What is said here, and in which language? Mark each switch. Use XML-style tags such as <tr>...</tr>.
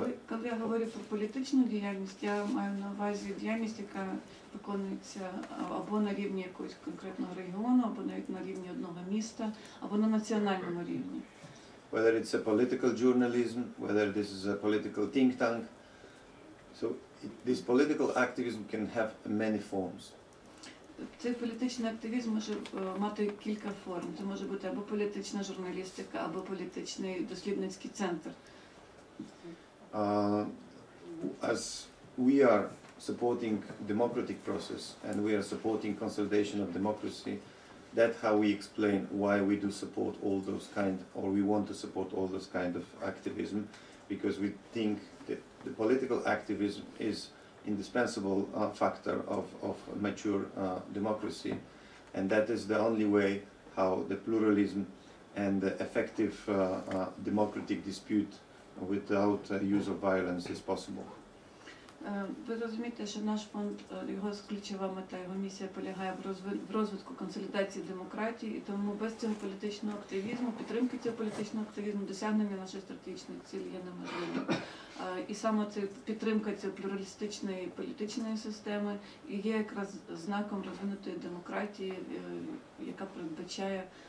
<uk>Коли я говорю про політичну діяльність, я маю на увазі діяльність, яка виконується або на рівні якогось конкретного регіону, або навіть на рівні одного міста, або на національному рівні.</uk> <en>Whether it's a political journalism, whether this is a political think tank. So this political activism can have many forms.</en> <uk>Цей політичний активізм може мати кілька форм. Це може бути або політична журналістика, або політичний дослідницький центр.</uk> <en>As we are supporting democratic process and we are supporting consolidation of democracy, that's how we explain why we do support all those kind, or we want to support all those kind of activism, because we think that the political activism is indispensable factor of mature democracy, and that is the only way how the pluralism and the effective democratic dispute without use of violence is possible.</en> <uk>Ви розумієте, що наш фонд, його ключова мета, його місія полягає в розвитку консолідації демократії, і тому без цього політичного активізму, підтримки цього політичного активізму, досягнення нашої стратегічної цілі є неможливим. І саме це підтримка цієї плюралістичної політичної системи і є якраз знаком розвинутої демократії, яка передбачає</uk>